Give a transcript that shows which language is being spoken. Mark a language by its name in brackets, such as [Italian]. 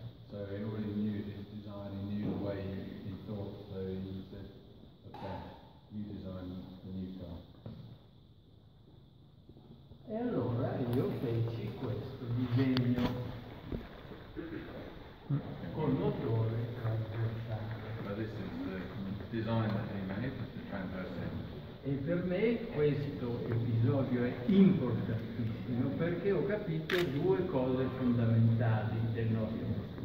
[English] So he already knew this design, he knew the way he thought, so he said, okay, you design the new car. [Italian] E allora io feci questo disegno col motore trasversale. [English] So this is the design that he made, the transversale. [Italian] E per me questo episodio è importantissimo perché ho capito due cose fondamentali del nostro